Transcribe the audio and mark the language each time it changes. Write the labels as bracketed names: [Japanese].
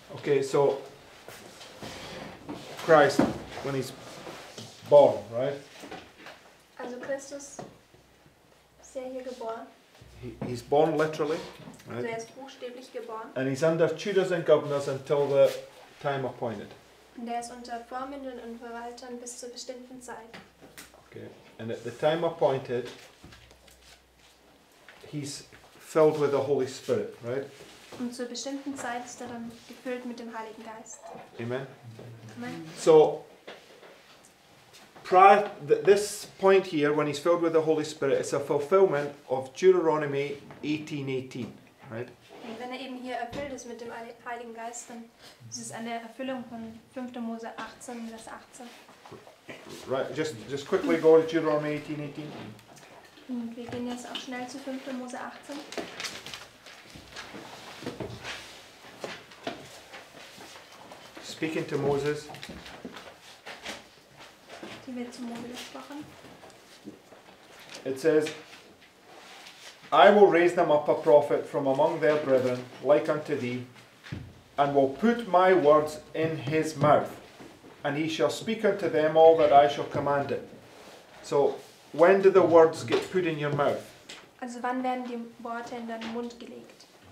[English] Okay, so Christ, when he's born, right? [German] Also Christus, sehr hier geboren. [English] He's born literally. Right? [German] Also ist buchstäblich geboren. [English] And he's under tutors and governors until the time appointed. [German] Und ist unter Vormündern und Verwaltern bis zur bestimmten Zeit. [English] Okay. And at the time appointed, he's filled with the Holy Spirit, right? [German] Und zur bestimmten Zeit ist dann gefüllt mit dem Heiligen Geist. [English] Amen. Amen. So, prior this point here, when he's filled with the Holy Spirit, it's a fulfillment of Deuteronomy 18:18, right? [German] Und wenn eben hier erfüllt ist mit dem Heiligen Geist, dann ist es eine Erfüllung von 5. Mose 18, Vers 18. [English] Right, just quickly go to Deuteronomy 18:18. [German] Und wir gehen jetzt auch schnell zu 5. Mose 18. [English] Speaking to Moses. [German] Die wird zu Mose gesprochen. [English] It says, I will raise them up a prophet from among their brethren, like unto thee, and will put my words in his mouth, and he shall speak unto them all that I shall command it. So, when do the words get put in your mouth? [German] Also, wann werden die Worte in deinen Mund gelegt?